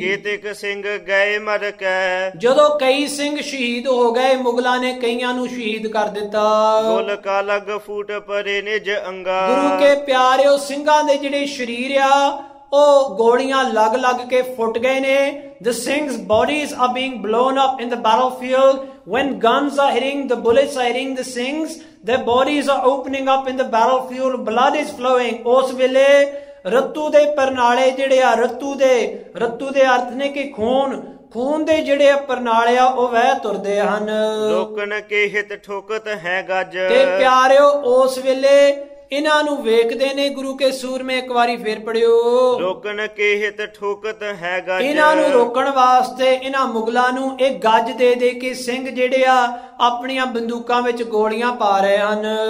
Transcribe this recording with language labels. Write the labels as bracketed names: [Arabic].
[Punjabi] ਕੇਤਕ ਸਿੰਘ ਗਏ ਮਰ ਕੇ, ਜਦੋਂ ਕਈ ਸਿੰਘ ਸ਼ਹੀਦ ਹੋ ਗਏ ਮੁਗਲਾਂ ਨੇ ਕਈਆਂ ਨੂੰ ਸ਼ਹੀਦ ਕਰ ਦਿੱਤਾ। ਗੁਲ ਕਾ ਲਗ ਫੂਟ ਪਰੇ ਨਿਜ ਅੰਗਾ, ਗੁਰੂ ਕੇ ਪਿਆਰਿਓ ਸਿੰਘਾਂ ਦੇ ਜਿਹੜੇ ਸਰੀਰ ਆ ਉਹ ਗੋਲੀਆਂ ਲੱਗ ਲੱਗ ਕੇ ਫੁੱਟ ਗਏ ਨੇ। [English] The Singh's bodies are being blown up in the battlefield. When guns are hitting, the bullets are hitting the Singhs, their bodies are opening up in the battlefield. Blood is flowing. [Punjabi] Os vele rattu de parnale jede a rattu de arth ne ki ਖੂਨ ਦੇ ਜਿਹੜੇ ਪ੍ਰਣਾਲੇ ਆ ਉਹ ਵਹਿ ਤੁਰਦੇ ਹਨ। ਲੋਕਨ ਕੇ ਹਿਤ ਠੋਕਤ ਹੈ ਗੱਜ, ਤੇ ਪਿਆਰਿਓ ਉਸ ਵੇਲੇ ਇਹਨਾਂ ਨੂੰ ਵੇਖਦੇ ਨੇ ਗੁਰੂ ਕੇ ਸੂਰਮੇ। ਇੱਕ ਵਾਰੀ ਫੇਰ ਪੜਿਓ, ਲੋਕਨ ਕੇ ਹਿਤ ਠੋਕਤ ਹੈ ਗੱਜ, ਇਹਨਾਂ ਨੂੰ ਰੋਕਣ ਵਾਸਤੇ ਇਹਨਾਂ ਮੁਗਲਾਂ ਨੂੰ ਇਹ ਗੱਜ ਦੇ ਕੇ ਸਿੰਘ ਜਿਹੜੇ ਆ ਆਪਣੀਆਂ ਬੰਦੂਕਾਂ ਵਿੱਚ ਗੋਲੀਆਂ ਪਾ ਰਹੇ ਹਨ।